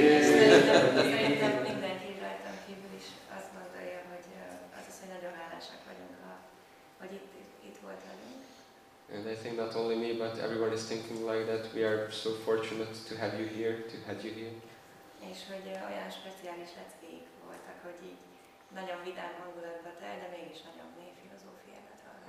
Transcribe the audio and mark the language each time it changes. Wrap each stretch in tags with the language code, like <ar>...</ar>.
<hu>Szerintem mindenki rajtam kívül is azt gondolja, hogy az az, hogy nagyon hálásak vagyunk, hogy itt volt velünk.</hu> <en>And I think not only me, but everyone is thinking like that. We are so fortunate to have you here, to have you here.</en> <hu>És hogy olyan speciális vendégek voltak, hogy így nagyon vidám hangulatba tel, de mégis nagyon mély filozófiákat hallottak.</hu>